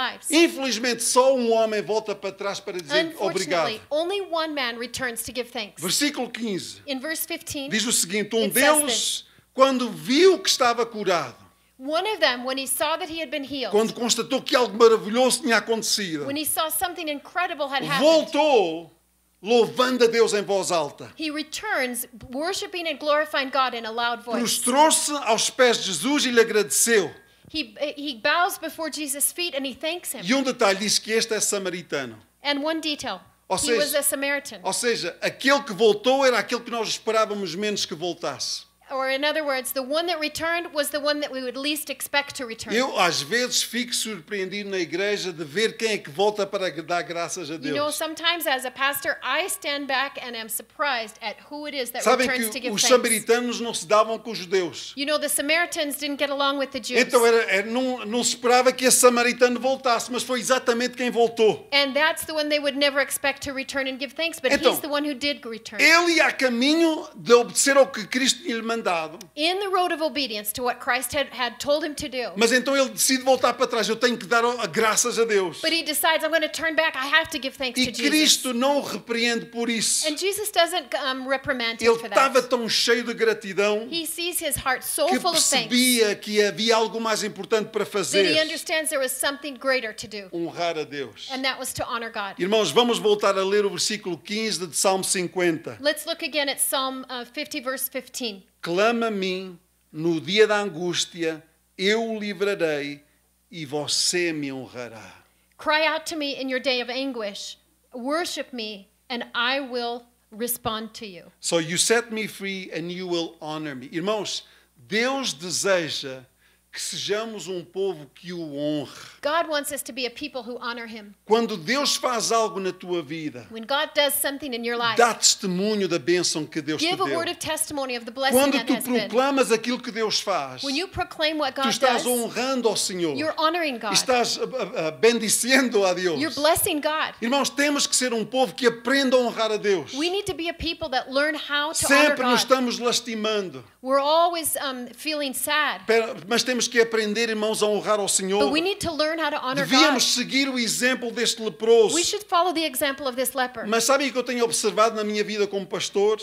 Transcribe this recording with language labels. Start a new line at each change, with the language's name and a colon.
Portuguese: Infelizmente, só um homem volta para trás para dizer obrigado.
English: Only one man returns to give thanks.
Portuguese: Versículo 15.
English: In verse 15,
Portuguese: diz o seguinte, um Deus, quando viu que estava curado,
English: one of them, when he saw that he had been healed,
Portuguese: quando constatou que algo maravilhoso tinha acontecido,
English: when he saw something incredible had happened,
Portuguese: voltou louvando a Deus em voz alta.
English: He returns, worshiping and glorifying God in a loud voice.
Portuguese: Prostrou-se aos pés de Jesus e lhe agradeceu.
English: He bows before Jesus' feet and he thanks him.
Portuguese: E um detalhe, diz que este é samaritano.
English: And one detail.
Portuguese: Ou seja,
English: he was a Samaritan.
Portuguese: Ou seja, aquele que voltou era aquele que nós esperávamos menos que voltasse.
English: Or in other words, the one that returned was the one that we would least expect to return.
Portuguese: Eu às vezes fico surpreendido na igreja de ver quem é que volta para dar graças a Deus.
English: You know, sometimes as a pastor, I stand back and am surprised at who it is that
Portuguese: Sabem
English: returns to give thanks.
Portuguese: Os samaritanos não se davam com os judeus.
English: You know, the Samaritans didn't get along with the Jews.
Portuguese: Então não esperava que esse samaritano voltasse, mas foi exatamente quem voltou.
English: And that's the one they would never expect to return and give thanks, but
Portuguese: então,
English: he's the one who did return.
Portuguese: Ele ia a caminho de obedecer ao que Cristo lhe
English: in the road of obedience to what Christ had told him to do.
Portuguese: Mas então ele decide voltar para trás. Eu tenho que dar graças a Deus.
English: But he decides, I'm going to turn back. I have to give thanks
Portuguese: e
English: to Jesus.
Portuguese: E Cristo não o repreende por isso.
English: And Jesus doesn't reprimand
Portuguese: ele
English: him for
Portuguese: estava
English: that.
Portuguese: Tão cheio de gratidão.
English: He sees his heart so full of thanks.
Portuguese: Que percebia que havia algo mais importante para fazer.
English: That he understands there was something greater to do.
Portuguese: Honrar a Deus.
English: And that was to honor God.
Portuguese: Irmãos, vamos voltar a ler o versículo 15 de Salmo 50.
English: Let's look again at Psalm 50, verse 15.
Portuguese: Clama a mim no dia da angústia, eu o livrarei e você me honrará.
English: Cry out to me in your day of anguish. Worship me and I will respond to you. So you set me free and you will honor me.
Portuguese: Irmãos, Deus deseja que sejamos um povo que o honre.
English: God wants us to be a people who honor him.
Portuguese: Quando Deus faz algo na tua vida,
English: when God does something in your life,
Portuguese: dá testemunho da bênção que Deus te deu.
English: Give a word of testimony of the blessing
Portuguese: quando
English: that has been.
Portuguese: Quando tu proclamas aquilo que Deus faz,
English: when you proclaim what God
Portuguese: tu estás
English: does,
Portuguese: honrando ao Senhor.
English: You're honoring God.
Portuguese: Estás bendicendo a Deus.
English: You're blessing God.
Portuguese: Irmãos, temos que ser um povo que aprenda a honrar a Deus.
English: We need to be a people that learn how to honor God.
Portuguese: Sempre nos estamos lastimando.
English: We're always feeling sad.
Portuguese: Mas temos que aprender, irmãos, a honrar ao Senhor.
English: But we need to learn how to honor
Portuguese: devíamos
English: God.
Portuguese: Seguir o exemplo deste leproso.
English: We should follow the example of this leper.
Portuguese: Mas sabem o que eu tenho observado na minha vida como pastor?